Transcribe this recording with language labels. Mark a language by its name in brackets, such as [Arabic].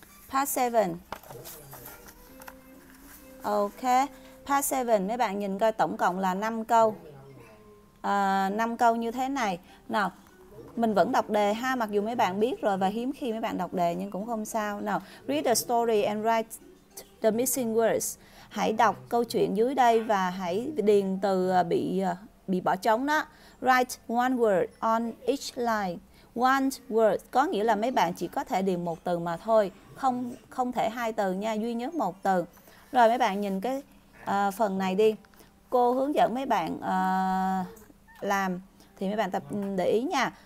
[English] Part 7. [Vietnamese] Ok. Part 7, mấy bạn nhìn coi tổng cộng là 5 câu. 5 câu như thế này. Nào, mình vẫn đọc đề ha, mặc dù mấy bạn biết rồi và hiếm khi mấy bạn đọc đề nhưng cũng không sao. [English] Nào, read the story and write the missing words. [Vietnamese] Hãy đọc câu chuyện dưới đây và hãy điền từ bị bỏ trống đó. [English] Write one word on each line. One word [Vietnamese] có nghĩa là mấy bạn chỉ có thể điền một từ mà thôi, không không thể hai từ nha, duy nhất một từ. Rồi mấy bạn nhìn cái phần này đi. Cô hướng dẫn mấy bạn làm thì mấy bạn tập để ý nha.